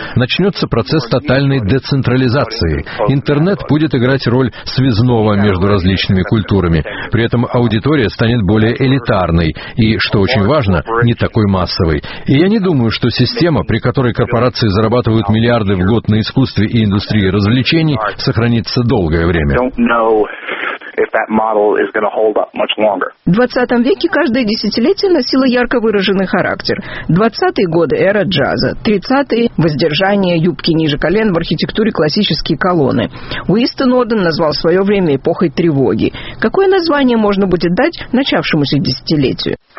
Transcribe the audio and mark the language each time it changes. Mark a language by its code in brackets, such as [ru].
[ru] Начнется процесс тотальной децентрализации. Интернет будет играть роль связного между различными культурами. При этом аудитория станет более элитарной и, что очень важно, не такой массовой. И я не думаю, что система, при которой корпорации зарабатывают миллиарды в год на искусстве и индустрии развлечений, сохранится долгое время. [en] If that model is going to hold up much longer. [ru] В 20 веке каждое десятилетие носило ярко выраженный характер. 20-е годы — эра джаза. 30-е — воздержание, юбки ниже колен, в архитектуре классические колонны. Уинстон Орден назвал свое время эпохой тревоги. Какое название можно будет дать начавшемуся десятилетию?